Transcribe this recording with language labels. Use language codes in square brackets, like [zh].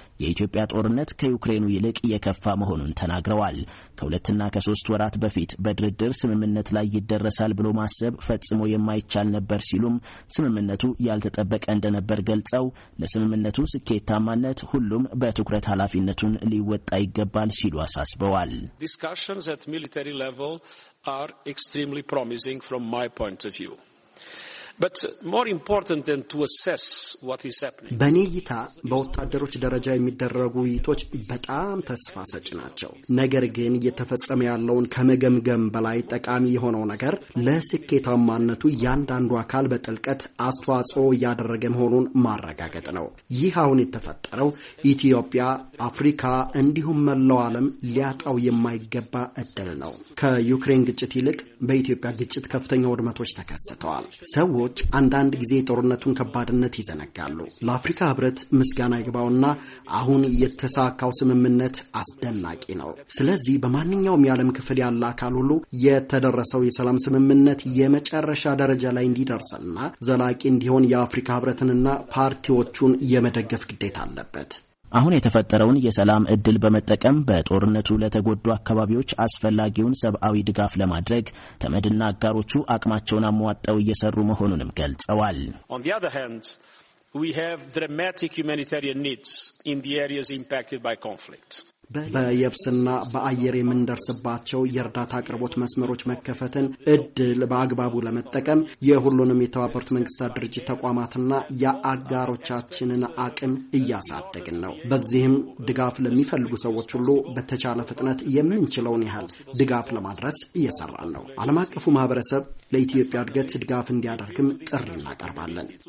[am] የኢትዮጵያ ጦርነት ከዩክሬኑ ይልቅ የከፋ መሆኑን ተናግረዋል። ከሁለትና ከሶስት ወራት በፊት በድርድር ስምምነት ላይ ይደረሳል ብሎ ማሰብ ፈጽሞ የማይቻል ነበር ሲሉም ስምምነቱ ያልተጠበቀ እንደነበር ገልጸው ለስምምነቱ ስኬታማነት ሁሉም በትኩረት ኃላፊነቱን ሊወጣ ይገባል ሲሉ አሳስበዋል። [en] Discussions at military level are extremely promising from my point of view. But more important than to assess what is happening. [am] በኔ እይታ በወታደሮች ደረጃ የሚደረጉ ውይይቶች በጣም ተስፋ ሰጭ ናቸው። ነገር ግን የተፈጸመ ያለውን ከመገምገም በላይ ጠቃሚ የሆነው ነገር ለስኬታማነቱ ያንዳንዱ አካል በጥልቀት አስተዋጽኦ ያደረገ መሆኑን ማረጋገጥ ነው። ይህ አሁን የተፈጠረው ኢትዮጵያ፣ አፍሪካ እንዲሁም መላው ዓለም ሊያጣው የማይገባ እድል ነው። ከዩክሬን ግጭት ይልቅ በኢትዮጵያ ግጭት ከፍተኛ ወድመቶች ተከስተዋል። ሰዎች አንዳንድ ጊዜ ጦርነቱን ከባድነት ይዘነጋሉ። ለአፍሪካ ህብረት ምስጋና ይግባውና አሁን የተሳካው ስምምነት አስደናቂ ነው። ስለዚህ በማንኛውም የዓለም ክፍል ያለ አካል ሁሉ የተደረሰው የሰላም ስምምነት የመጨረሻ ደረጃ ላይ እንዲደርስና ዘላቂ እንዲሆን የአፍሪካ ህብረትንና ፓርቲዎቹን የመደገፍ ግዴታ አለበት። አሁን የተፈጠረውን የሰላም እድል በመጠቀም በጦርነቱ ለተጎዱ አካባቢዎች አስፈላጊውን ሰብአዊ ድጋፍ ለማድረግ ተመድና አጋሮቹ አቅማቸውን አሟጠው እየሰሩ መሆኑንም ገልጸዋል። [en] On the other hand, we have dramatic humanitarian needs in the areas impacted by conflict. [am] በየብስና በአየር የምንደርስባቸው የእርዳታ አቅርቦት መስመሮች መከፈትን እድል በአግባቡ ለመጠቀም የሁሉንም የተባበሩት መንግስታት ድርጅት ተቋማትና የአጋሮቻችንን አቅም እያሳደግን ነው። በዚህም ድጋፍ ለሚፈልጉ ሰዎች ሁሉ በተቻለ ፍጥነት የምንችለውን ያህል ድጋፍ ለማድረስ እየሰራን ነው። ዓለም አቀፉ ማህበረሰብ ለኢትዮጵያ እድገት ድጋፍ እንዲያደርግም ጥሪ እናቀርባለን።